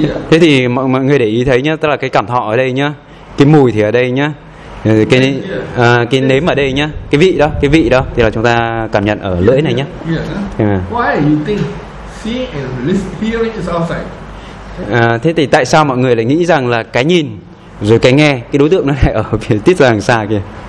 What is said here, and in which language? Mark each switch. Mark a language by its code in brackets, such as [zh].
[vi] Thế thì mọi người để ý thấy nhá, tức là cái cảm thọ ở đây nhá, cái mùi thì ở đây nhá, cái nếm ở đây nhá, cái vị đó thì là chúng ta cảm nhận ở lưỡi này nhá. [en] Why you think seeing and listening hearing is outside? [vi] Thế thì tại sao mọi người lại nghĩ rằng là cái nhìn rồi cái nghe, cái đối tượng nó lại ở phía tít ra đằng xa kia?